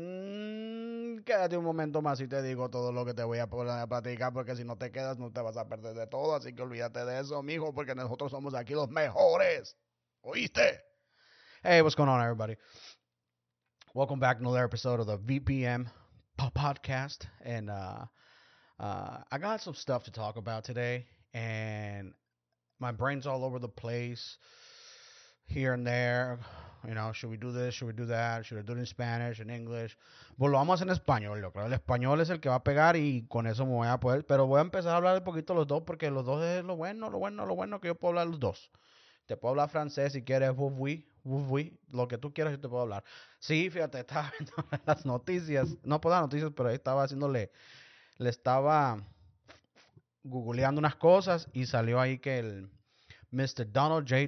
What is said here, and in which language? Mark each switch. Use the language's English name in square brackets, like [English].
[Spanish] Quédate un momento más y te digo todo lo que te voy a platicar, porque si no te quedas no te vas a perder de todo. Así que olvídate de eso, mijo, porque nosotros somos aquí los mejores. ¿Oíste? [English] Hey, what's going on, everybody? Welcome back to another episode of the VPM Podcast. And I got some stuff to talk about today. And my brain's all over the place, here and there. You know, should we do this? Should we do that? Should I do it in Spanish, in English? [Spanish] Bueno, vamos en español. Yo creo el español es el que va a pegar y con eso me voy a poder. Pero voy a empezar a hablar un poquito los dos, porque los dos es lo bueno que yo puedo hablar los dos. Te puedo hablar francés si quieres, vous, lo que tú quieras yo te puedo hablar. Sí, fíjate, estaba viendo las noticias. No puedo dar noticias, pero ahí estaba haciéndole, le estaba googleando unas cosas y salió ahí que el Mr. Donald J.